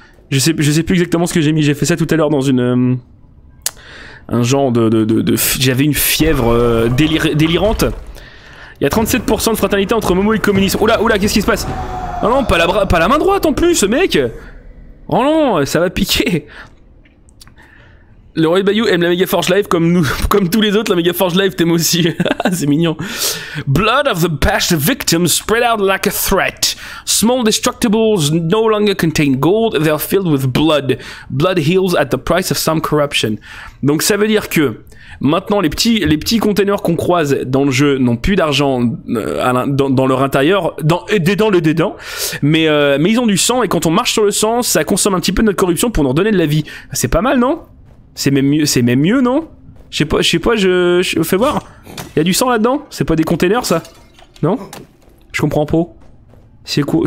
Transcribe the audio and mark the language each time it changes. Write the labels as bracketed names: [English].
[French] Je sais plus exactement ce que j'ai mis. J'ai fait ça tout à l'heure dans une un genre de j'avais une fièvre délirante. Il y a 37% de fraternité entre Momo et communiste. Oula, qu'est-ce qui se passe? Oh non, pas la main droite en plus, mec. Oh non, ça va piquer. Le Roy Bayou aime la Megaforge Live comme nous, comme tous les autres. La Megaforge Live t'aime aussi. C'est mignon. [English] Blood of the past victims spread out like a threat. Small destructibles no longer contain gold. They are filled with blood. Blood heals at the price of some corruption. [French] Donc ça veut dire que maintenant les petits conteneurs qu'on croise dans le jeu n'ont plus d'argent dans leur intérieur, dedans, mais ils ont du sang, et quand on marche sur le sang, ça consomme un petit peu notre corruption pour nous redonner de la vie. C'est pas mal, non? C'est même mieux, non? Je sais pas, fais voir. Il y a du sang là-dedans? C'est pas des conteneurs, ça? Non? Je comprends pas. C'est quoi?